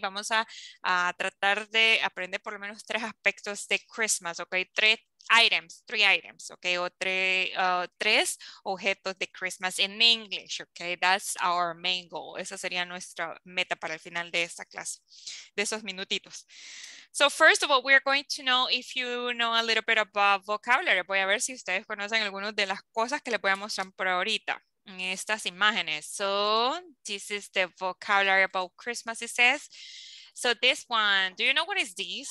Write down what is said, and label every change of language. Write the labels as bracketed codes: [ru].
[es] Vamos a tratar de aprender por lo menos 3 aspectos de Christmas, ¿ok? [en] 3 items, [es] ¿ok? O 3 objetos de Christmas in English, ¿ok? [en] That's our main goal. [es] Esa sería nuestra meta para el final de esta clase, de esos minutitos. [en] So first of all, we are going to know if you know a little bit about vocabulary. [es] Voy a ver si ustedes conocen algunas de las cosas que les voy a mostrar por ahorita en estas imágenes. [en] So this is the vocabulary about Christmas, it says. So this one, do you know what is this?